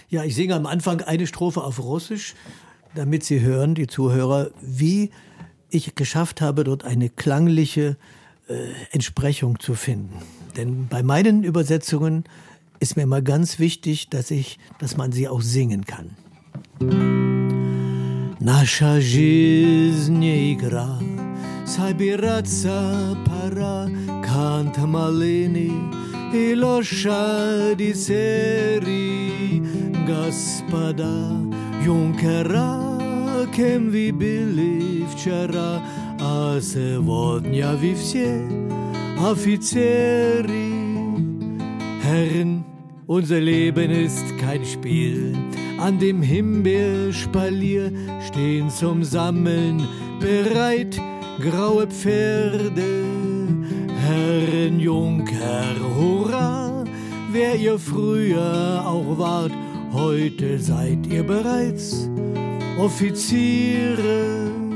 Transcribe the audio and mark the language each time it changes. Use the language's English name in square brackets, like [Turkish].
[German] Ja, ich singe am Anfang eine Strophe auf Russisch, damit Sie hören, die Zuhörer, wie ich geschafft habe, dort eine klangliche Entsprechung zu finden. Denn bei meinen Übersetzungen ist mir immer ganz wichtig, dass man sie auch singen kann. [Russian] Наша жизнь не игра, собираться пора, кант малины и лошади серы, господа юнкера, кем вы были вчера, а сегодня вы все офицеры. [German] Herren, unser Leben ist kein Spiel. An dem Himbeerspalier stehen zum Sammeln bereit graue Pferde. Herren Junker, hurra, wer ihr früher auch wart, heute seid ihr bereits Offiziere.